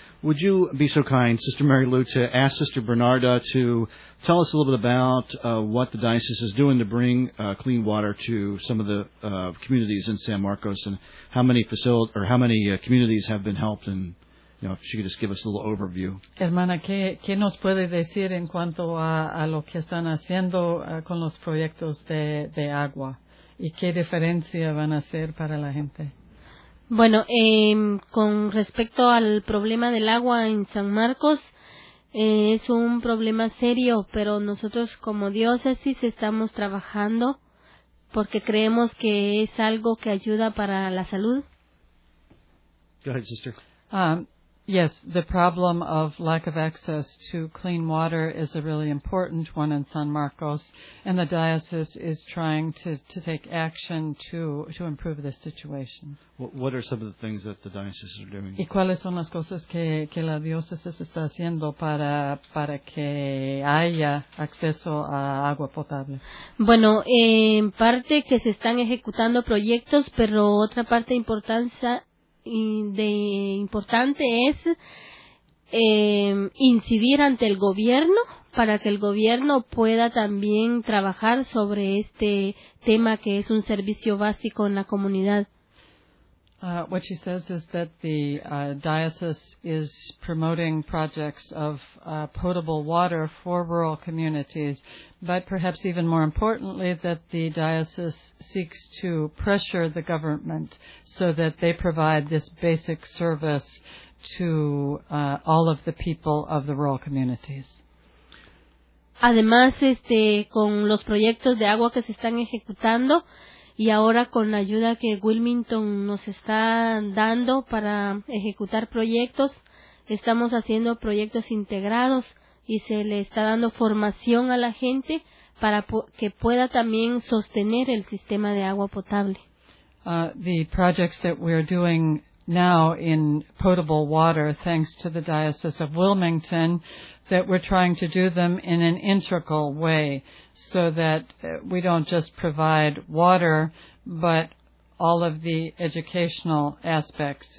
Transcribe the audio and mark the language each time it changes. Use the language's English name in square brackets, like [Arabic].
[English] Would you be so kind, Sister Mary Lou, to ask Sister Bernarda to tell us a little bit about what the diocese is doing to bring clean water to some of the communities in San Marcos, and how many communities have been helped, and if she could just give us a little overview. [Spanish] Hermana, ¿qué nos puede decir en cuanto a lo que están haciendo con los proyectos de agua, y qué diferencia van a hacer para la gente? Bueno, con respecto al problema del agua en San Marcos, es un problema serio, pero nosotros como diócesis estamos trabajando porque creemos que es algo que ayuda para la salud. [English] Go ahead, sister. Yes, the problem of lack of access to clean water is a really important one in San Marcos, and the diocese is trying to take action to improve this situation. What are some of the things that the diocese are doing? [Spanish] ¿Y cuáles son las cosas que la diócesis está haciendo para que haya acceso a agua potable? Bueno, en parte que se están ejecutando proyectos, pero otra parte importante es incidir ante el gobierno para que el gobierno pueda también trabajar sobre este tema que es un servicio básico en la comunidad. [English] What she says is that the diocese is promoting projects of potable water for rural communities, but perhaps even more importantly, that the diocese seeks to pressure the government so that they provide this basic service to all of the people of the rural communities. [Spanish] Además, con los proyectos de agua que se están ejecutando, y ahora con la ayuda que Wilmington nos está dando para ejecutar proyectos, estamos haciendo proyectos integrados y se le está dando formación a la gente para que pueda también sostener el sistema de agua potable. [English] The projects that we are doing now in potable water, thanks to the Diocese of Wilmington, that we're trying to do them in an integral way so that we don't just provide water, but all of the educational aspects.